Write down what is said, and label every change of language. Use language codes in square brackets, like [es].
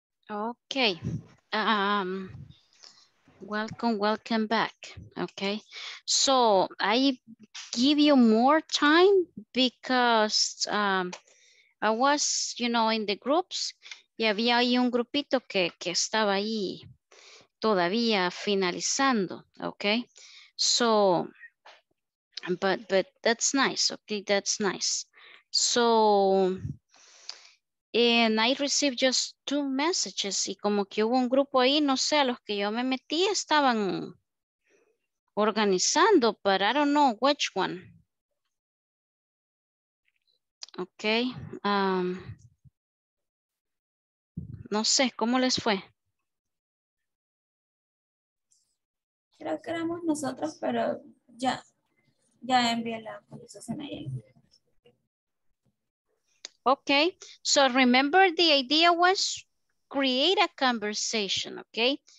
[en] Okay. Welcome back. Okay. So I give you more time because I was, you know, in the groups. [es] Y había ahí un grupito que estaba ahí todavía finalizando, okay? [en] So, but that's nice, okay? That's nice. So, and I received just two messages [es] y como que hubo un grupo ahí, no sé, a los que yo me metí estaban organizando, [en] but I don't know which one. [es] Okay. No sé, ¿cómo les fue? Creo que éramos nosotros, pero ya envié la conversación ahí. [en] Ok, so remember the idea was create a conversation, ok?